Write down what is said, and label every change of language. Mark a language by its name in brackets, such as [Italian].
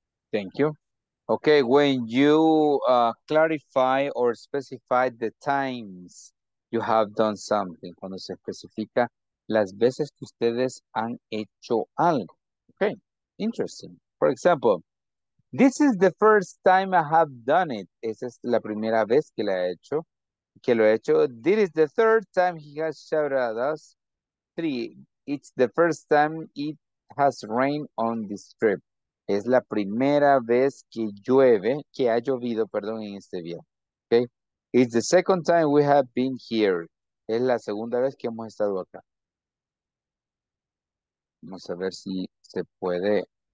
[English] Thank you. Okay, when you clarify or specify the times you have done something, [Spanish] cuando se especifica las veces que ustedes han hecho algo. [English] Okay, interesting. For example, this is the first time I have done it. [Spanish] Esa es la primera vez que lo he hecho. [English] This is the third time he has showered at us. Three, it's the first time it has rained on this trip. [Spanish] Es la primera vez que ha llovido, en este viaje. Okay. [English] It's the second time we have been here. [Spanish] Es la segunda vez que hemos estado acá. Vamos a ver si se puede.